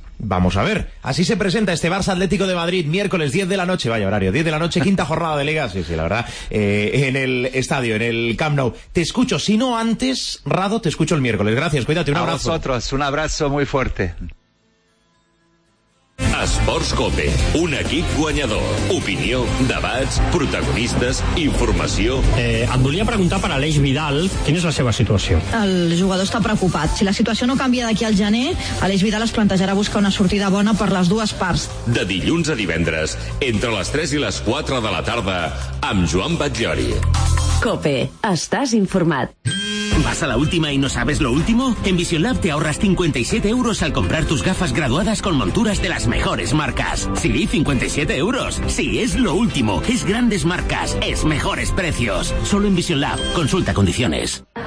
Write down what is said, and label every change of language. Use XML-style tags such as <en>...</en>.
<es>Vamos a ver, así se presenta este Barça Atlético de Madrid miércoles 10 de la noche, vaya horario, 10 de la noche, quinta jornada de Liga, sí, la verdad, en el estadio, en el Camp Nou. Te escucho, si no antes, Rado, te escucho el miércoles. Gracias, cuídate, un abrazo. A vosotros, un abrazo muy fuerte.</es> <ca>Esports Cope, un equip guanyador. Opinió, debats, protagonistes, informació. Em volia preguntar per Aleix Vidal, quina és la seva situació? El jugador està preocupat. Si la situació no canvia d'aquí al gener, Aleix Vidal es plantejarà buscar una sortida bona per les dues parts. De dilluns a divendres, entre les 3 i les 4 de la tarda, amb Joan Batllori. Cope, estàs informat.</ca> <es>¿Vas a la última y no sabes lo último? En Vision Lab te ahorras 57 euros al comprar tus gafas graduadas con monturas de las mejores marcas. Sí, 57 euros. Sí, es lo último. Es grandes marcas. Es mejores precios. Solo en Vision Lab. Consulta condiciones.</es>